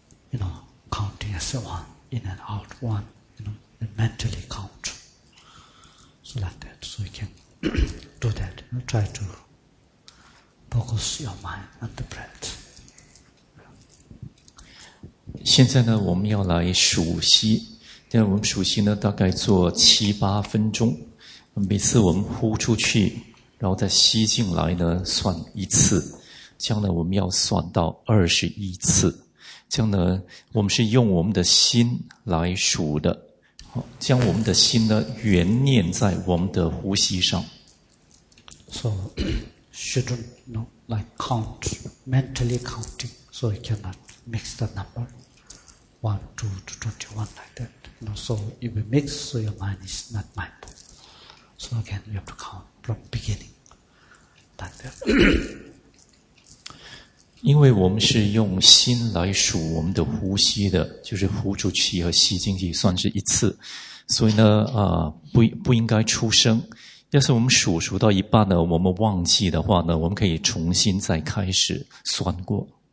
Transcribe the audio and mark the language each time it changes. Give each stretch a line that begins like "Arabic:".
English: You know, counting as one, in and out, one, you know, and mentally count. So like that. So you can do that. You know, try to focus your mind on the breath.
Chinese: 现在呢，我们要来数息。那我们数息呢，大概做七八分钟。每次我们呼出去，然后再吸进来呢，算一次。这样呢，我们要算到21次。这样呢，我们是用我们的心来数的。好，将我们的心呢，原念在我们的呼吸上。
English: So, shouldn't know, like count, mentally counting, so you cannot mix the number. 1, 2 to 21 like that. You know, so it will mix, so your mind is not mindful. So again, you have to count from beginning like that.
Chinese: 因为我们是用心来数我们的呼吸的，就是呼出气和吸进去算是一次，所以呢不应该出声。要是我们数到一半呢，我们忘记的话呢，我们可以重新再开始算过。